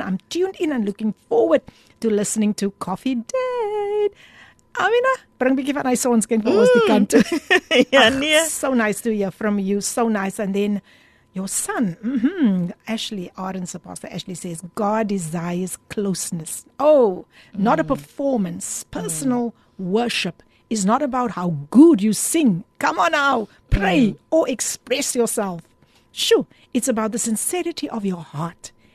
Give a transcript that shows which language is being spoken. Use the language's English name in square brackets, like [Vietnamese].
[English] I'm tuned in and looking forward to listening to Coffee Date. [Afrikaans] Amina, bring bietjie van hy sonskyn vir ons die kant toe. [English] So nice to hear from you, so nice. And then your son, Ashley Arden's pastor, Ashley says, God desires closeness. Oh, not a performance. Personal worship is not about how good you sing. Come on now, pray or express yourself. Sure, it's about the sincerity of your heart.